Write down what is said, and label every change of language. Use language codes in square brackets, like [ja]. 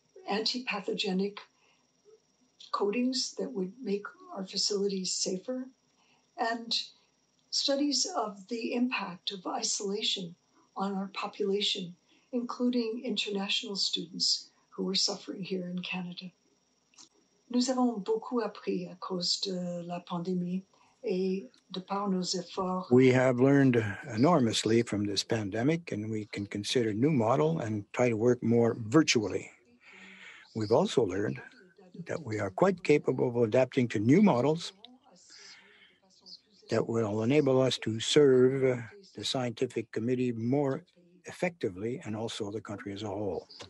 [en] antipathogenic coatings that would make our facilities safer, and studies of the impact of isolation on our population, including international students who were suffering here in Canada. [fr] Nous avons beaucoup appris à cause de la pandémie et de par nos efforts. [en] We have learned enormously from this pandemic, and we can consider new model and try to work more virtually. We've also learned that we are quite capable of adapting to new models that will enable us to serve the scientific committee more effectively and also the country as a whole.